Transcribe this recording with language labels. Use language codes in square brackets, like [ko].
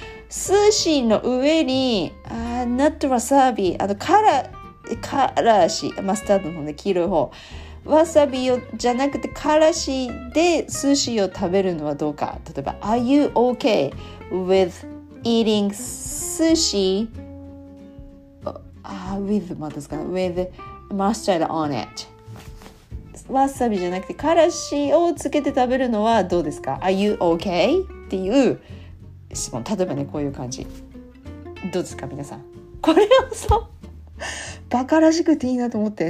[ja] スーシーの上に、ナットワサビ、カラーシ、マスタードのね、黄色い方。わさびをじゃなくてからしで寿司を食べるのはどうか。 [en] 例えば Are you okay with eating sushi with mustard on it? [ja] わさびじゃなくてからしをつけて食べるのはどうですか。 [en] Are you okay? [ja] っていう質問。例えばね、こういう感じ。どうですか皆さん、これをそうバカらしくていいなと思って。